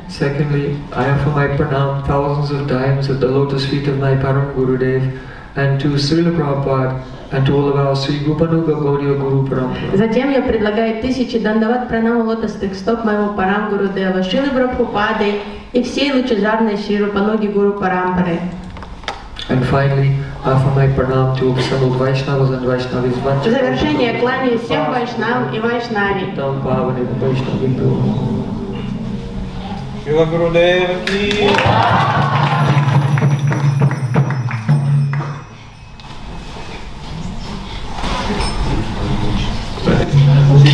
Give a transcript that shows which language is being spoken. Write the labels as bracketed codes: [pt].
[en] Secondly, I offer my pranam thousands of times at the lotus feet of my param gurudev and to Srila Prabhupada and to all of our Sri Rupa Nuga Gaudiya Guru Parampara. [ru] Затем я предлагаю тысячи дандават пранам лотосных стоп моего парам гурудева, шилы брабхупады и всей лучезарной Шри Рупа Нуги Гуру Парампары. [en] And finally, I offer my pranam to assembled Vaishnavas and Vaishnavis. [ru] В завершение я кланяюсь всем Вайшнавам и Вайшнаве. Там Бхавани Вайшнави был. [hi] Шрила Гурудев ки.